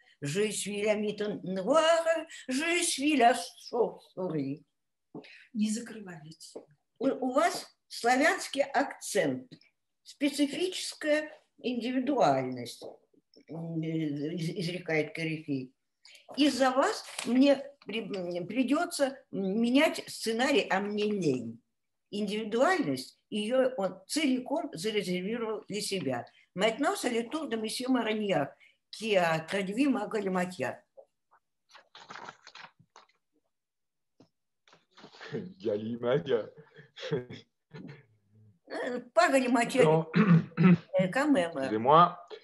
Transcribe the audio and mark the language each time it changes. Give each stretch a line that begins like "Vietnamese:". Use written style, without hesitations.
French: «Je suis la mite noire, je suis la souris».
Russian: Не закрывай лицо. У вас славянский акцент, специфическая индивидуальность, изрекает корифей. Из-за вас мне придется менять сценарий, а мне лень. Индивидуальность ее он целиком зарезервировал для себя.
French: Maintenant, c'est le tour de monsieur Marignac, qui a traduit ma galimatia. Galimatia.
Russian: Павел Материн.
French: Excusez-moi.